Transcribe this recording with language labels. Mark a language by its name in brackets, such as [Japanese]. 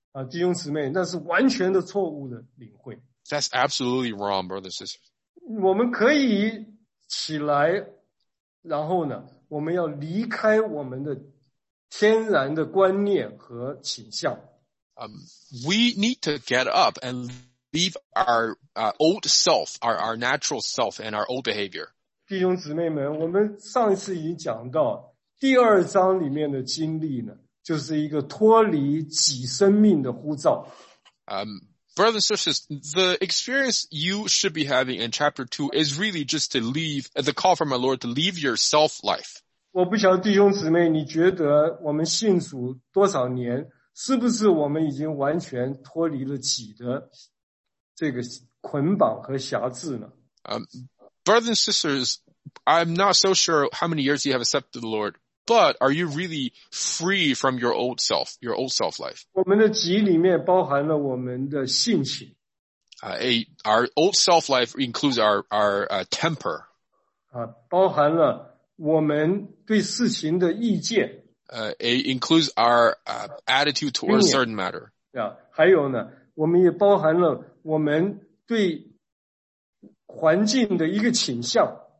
[Chinese] 弟兄姊妹，那是完全的错误的领会。 [English] That's absolutely wrong, brothers and sisters. [Chinese] 我们可以起来，然后呢，我们要离开我们的天然的观念和倾向。 [English] We need to get up and leave our old self, our natural self and our old behavior. [Chinese] 弟兄姊妹们，我们上一次已经讲到第二章里面的经历呢，就是一个脱离己生命的呼召。 [English] Brothers and sisters, the experience you should be having in chapter 2 is really just to leave, the call from our Lord to leave your self life. [Chinese] 我不晓得弟兄姊妹，你觉得我们信主多少年，是不是我们已经完全脱离了己的这个捆绑和辖制呢？ [English] Brothers and sisters, I'm not so sure how many years you have accepted the Lord, but are you really free from your old self, your old self life? [Chinese] 我们的己里面包含了我们的性情。 [English] Our old self life includes our temper. [Chinese] 包含了我们对事情的意见。 [English] It includes our attitude towards a certain matter. [Chinese] Yeah, 还有呢，我们也包含了我们对环境的一个倾向。